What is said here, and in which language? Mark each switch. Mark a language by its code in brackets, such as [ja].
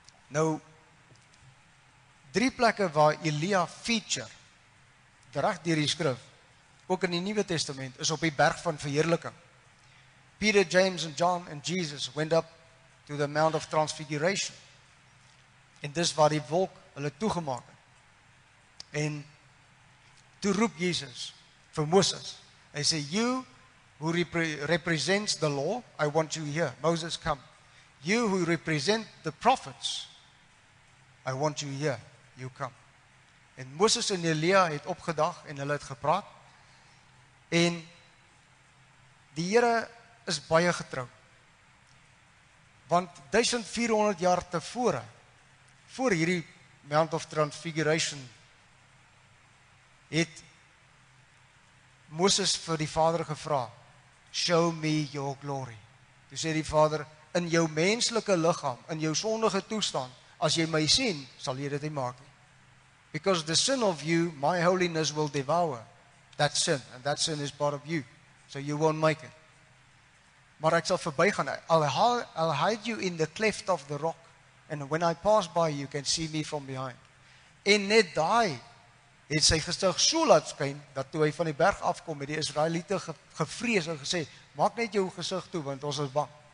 [af] Nou, drie plekke waar Elia feature, direct dier die skrif, ook in die Nieuwe Testament, is op die berg van verheerliking. [en] Peter, James en John en Jesus went up to the Mount of Transfiguration. [af] En dis waar die wolk hulle toegemaak het. En toe roep Jesus vir Moses. [en] Hy sê, you who represents the law, I want you here. Moses, come. You who represent the prophets, I want you here. You come. [af] En Moses en Elia het opgedag en hulle het gepraat. En die Here is baie getrou. Want 1400 jaar tevore, voor hierdie Mount of Transfiguration, het Moses vir die Vader gevra, show me your glory. Toe sê die Vader, in jou menselike lichaam, in jou sondige toestand, as jy my sien, sal jy dit nie maak. [en] Because the sin of you, my holiness will devour. That sin, and that sin is part of you. So you won't make it. Maar ek sal verby gaan. I'll hide you in the cleft of the rock. And when I pass by, you can see me from behind. [af] En net daai het sy gesig so laat skyn, dat toe hy van die berg afkom, het die Israeliete gevrees en gesê, maak net jou gesig toe, want ons is bang.